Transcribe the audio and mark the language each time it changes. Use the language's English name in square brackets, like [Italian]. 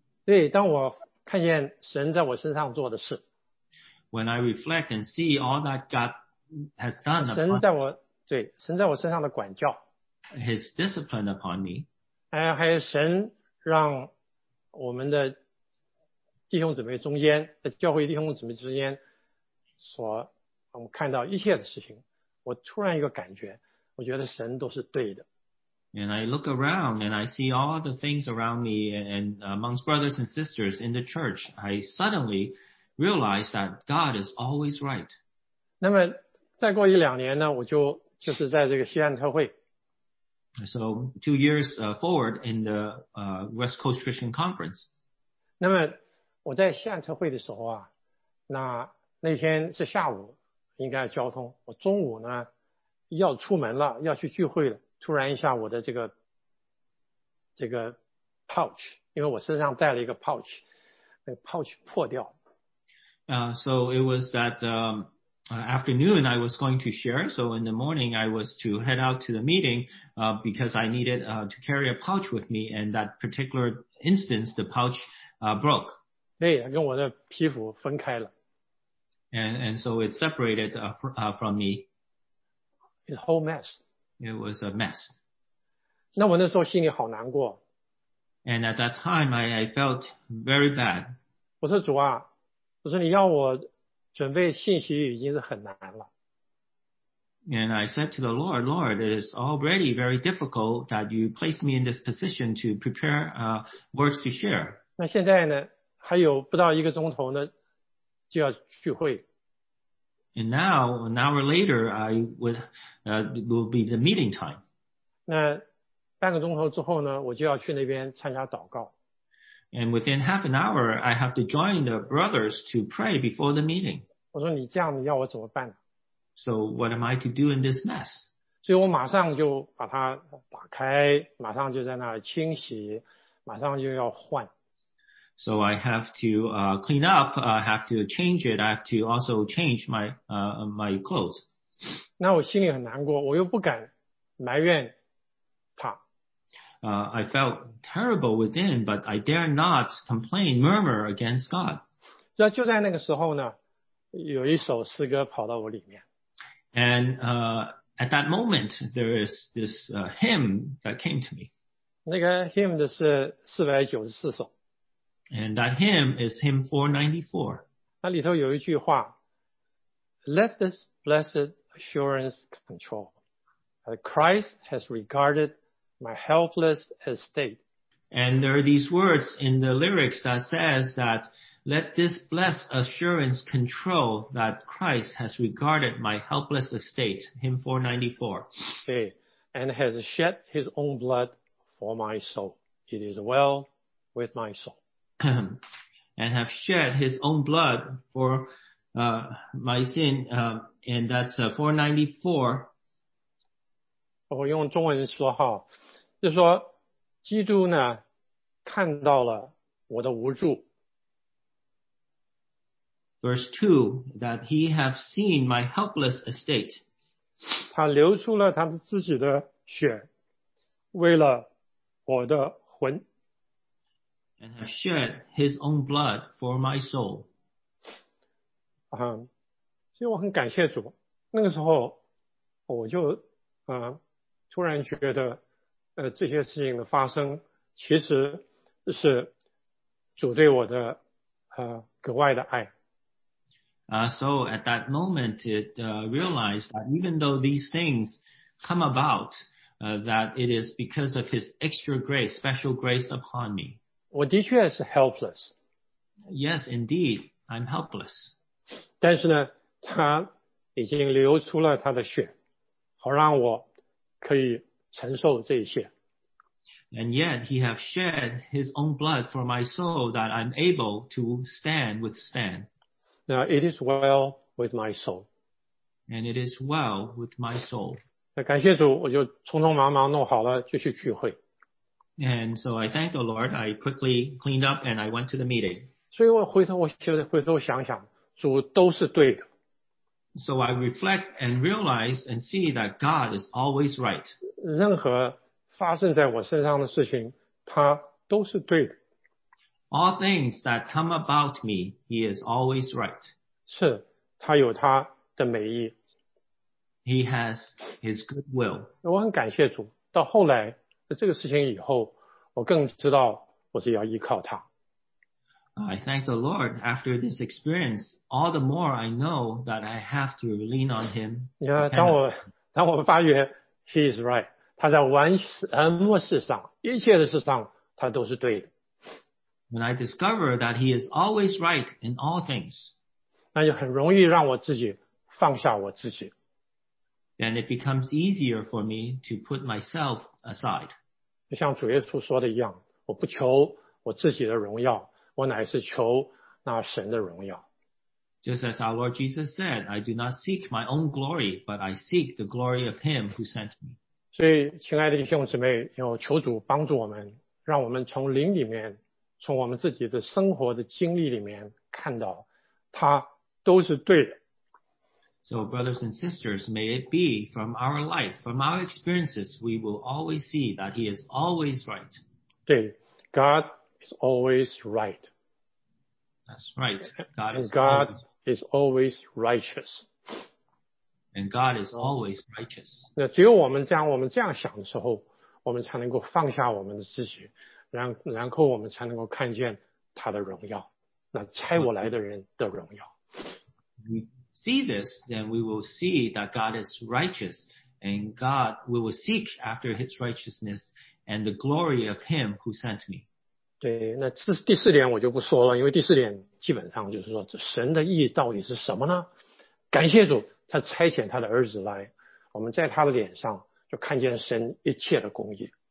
[Chinese] 对，当我看见神在我身上做的事， [English] When I reflect and see all that God has done upon me, [Chinese] 神在我身上的管教， [English] His discipline upon me, [Chinese] 还有神让我们的弟兄姊妹中间，教会弟兄姊妹之间所我们看到一切的事情，我突然一个感觉，我觉得神都是对的。 [English] And I look around and I see all the things around me and amongst brothers and sisters in the church. I suddenly realize that God is always right. [Chinese] 那么再过一两年呢，我就是在这个西岸特会。 [English] So 2 years forward in the West Coast Christian Conference. [Chinese] 那么我在西岸特会的时候啊，那天是下午应该交通，我中午呢要出门了，要去聚会了，突然一下我的这个 pouch， 因为我身上带了一个 pouch， 那个 pouch 破掉。 [English] So it was that afternoon I was going to share, so in the morning I was to head out to the meeting because I needed to carry a pouch with me, and that particular instance the pouch broke. [Chinese] 对，它跟我的皮肤分开了。 [English] And so it separated from me. It's a whole mess. It was a mess. [Chinese] 那我那时候心里好难过。 [English] And at that time, I felt very bad. [Chinese] 我说主啊，我说你要我准备信息已经是很难了。 [English] And I said to the Lord, Lord, it is already very difficult that you place me in this position to prepare words to share. [Chinese] 那现在呢，还有不到一个钟头呢。就要聚会。 [English] And now, an hour later, I will be the meeting time. [Chinese] 那半个钟头之后呢，我就要去那边参加祷告。 [English] And within half an hour, I have to join the brothers to pray before the meeting. [Chinese] 我说你这样要我怎么办？ [English] So what am I to do in this mess? [Chinese] 所以我马上就把它打开，马上就在那儿清洗，马上就要换。 [English] So I have to clean up, I have to change it, I have to also change my clothes. [Chinese] 那我心里很难过，我又不敢埋怨 [English] I felt terrible within, but I dare not complain, murmur against God. [Chinese] 就在那个时候呢，有一首诗歌跑到我里面。 [English] And at that moment, there is this hymn that came to me. [Chinese] 那个 hymn 是494首。 [English] And that hymn is hymn 494. [Chinese] 那里头有一句话， [English] Let this blessed assurance control. Christ has regarded my helpless estate. And there are these words in the lyrics that says that let this blessed assurance control that Christ has regarded my helpless estate, hymn 494. Okay. And has shed his own blood for my soul. It is well with my soul. And have shed his own blood for my sin. And that's 494. [Chinese] 我用中文说哈，就说基督呢看到了我的无助。 [English] Verse 2, that he have seen my helpless estate. [Chinese] 他流出了他自己的血为了我的魂。 [English] And have shed his own blood for my soul. [Chinese] 所以我很感谢主。那个时候我就突然觉得这些事情的发生其实是主对我的格外的爱。 [English] So at that moment, it realized that even though these things come about, that it is because of his extra grace, special grace upon me. [Chinese] 我的确是 helpless. [English] Yes, indeed, I'm helpless. [Chinese] 但是呢，他已经流出了他的血，好让我可以承受这一切。 [English] And yet he have shed his own blood for my soul that I'm able to stand withstand. Now it is well with my soul. And it is well with my soul. [Chinese] 感谢主，我就匆匆忙忙弄好了，就去聚会。 [English] And so I thank the Lord. I quickly cleaned up and I went to the meeting. [Chinese] 所以我回头，想想，主都是对的。 [English] So I reflect and realize and see that God is always right. [Chinese] 任何发生在我身上的事情，他都是对的。 [English] All things that come about me, he is always right. [Chinese] 是，他有他的美意。 [English] He has his good will. [Chinese] 我很感谢主，到后来这个事情以后，我更知道我是要依靠他。 [English] I thank the Lord after this experience, all the more I know that I have to lean on him. Yeah, [Chinese] 当我发觉 [English] he is right, [Chinese] 他在完全什么事上一切的事上他都是对的。 [English] When I discover that he is always right in all things, [Chinese] 那就很容易让我自己放下我自己。 [English] Then it becomes easier for me to put myself aside. [Chinese] 就像主耶稣说的一样，我不求我自己的荣耀，我乃是求那神的荣耀。 [English] Just as our Lord Jesus said, I do not seek my own glory, but I seek the glory of him who sent me. [Chinese] 所以亲爱的弟兄姊妹，要求主帮助我们，让我们从灵里面，从我们自己的生活的经历里面看到他都是对的。 [English] So brothers and sisters, may it be from our life, from our experiences, we will always see that he is always right. [Chinese] 对， [English] God is always right. That's right. God and God is always righteous. And God is always righteous. [Chinese] 那只有我们这样想的时候，我们才能够放下我们的自己，然后我们才能够看见他的荣耀，那差我来的人的荣耀。 [English] We see this, then we will see that God is righteous, and God, we will seek after his righteousness and the glory of him who sent me. [Chinese] 对，那这第四点我就不说了，因为第四点基本上就是说这神的意义到底是什么呢？感谢主，他差遣他的儿子来，我们在他的脸上就看见神一切的公义。